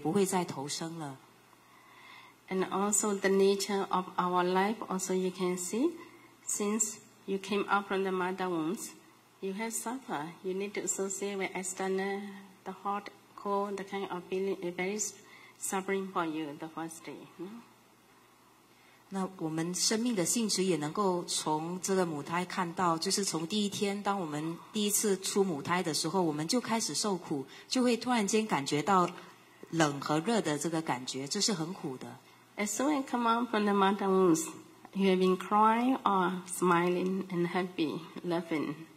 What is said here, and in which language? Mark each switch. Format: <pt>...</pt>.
<zh>那到最后呢，如果说呢，我们其实我们也会害怕这个人的生命，或者是天人的生命。当我们练习观禅的时候，最后我们能够证果，我们能够成为阿罗汉果。那凡是证得阿罗汉果的人呢，不会再回来，不会再受苦了，也不会再投生了。And</zh> <en>also the nature of our life, also you can see, since you came out from the mother wombs, you have suffered. You need to associate with external, the hot, cold, the kind of feeling, very suffering for you the first day.</en> <zh>那我们生命的性质也能够从这个母胎看到，就是从第一天，当我们第一次出母胎的时候，我们就开始受苦，就会突然间感觉到冷和热的这个感觉，这是很苦的。As</zh> <en>soon as you come out from the mother wombs, you have been crying or smiling and happy, laughing.</en>